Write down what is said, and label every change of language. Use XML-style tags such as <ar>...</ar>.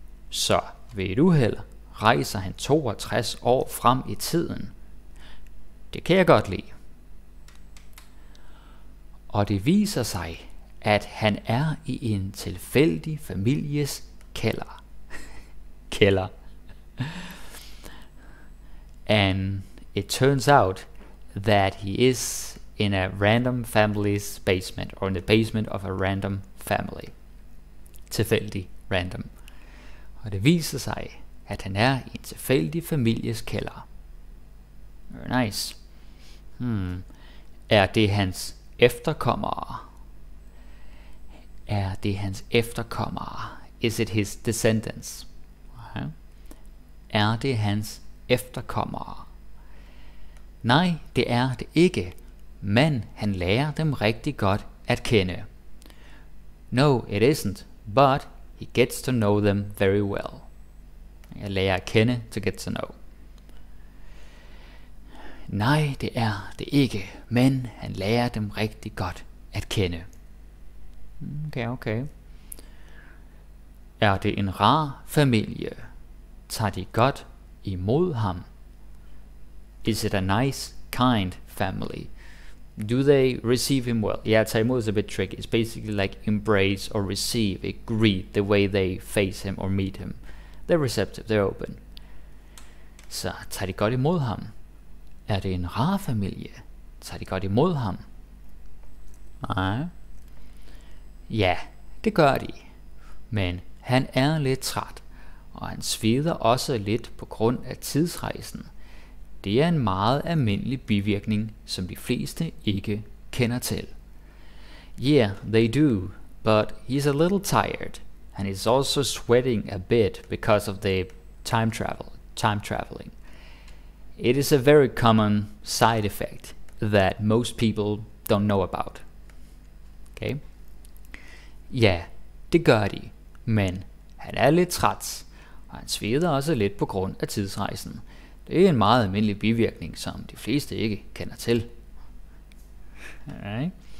<da>Så ved et uheld rejser han 62 år frem i tiden. Det kan jeg godt lide. Og det viser sig, at han er i en tilfældig families kælder. Kælder.</da> <en>And it turns out that he is in a random family's basement, or in the basement of a random family.</en> <da>Tilfældig, random. Og det viser sig, at han er i en tilfældig families kælder.</da> <en>Very nice.</en> <da>Er det hans efterkommere? Er det hans efterkommere?</da> <en>Is it his descendants? Okay.</en> <da>Er det hans efterkommere? Nej, det er det ikke. Men han lærer dem rigtig godt at kende.</da> <en>No, it isn't. But he gets to know them very well.</en> <da>Jeg lærer at kende</da> <en>to get to know.</en> <da>Nej, det er det ikke, men han lærer dem rigtig godt at kende.</da> <en>Okay, okay.</en> <da>Er det en rar familie? Tager de godt imod ham?</da> <en>Is it a nice, kind family? Do they receive him well? Yeah, tage imod is a bit tricky. It's basically like embrace or receive, it greet the way they face him or meet him. They're receptive, they're open.</en> <da>Så tager de godt imod ham? Er det en rar familie? Tager de godt imod ham? Nej. Ja, det gør de. Men han er lidt træt, og han sveder også lidt på grund af tidsrejsen. Det er en meget almindelig bivirkning, som de fleste ikke kender til.</da> <en>Yeah, they do, but he's a little tired, and he's also sweating a bit because of the time traveling. It is a very common side effect that most people don't know about. Okay?</en> <da>Ja, det gør de, men han er lidt træt, og han sveder også lidt på grund af tidsrejsen. Det er en meget almindelig bivirkning, som de fleste ikke kender til.</da> <en>Alright.</en>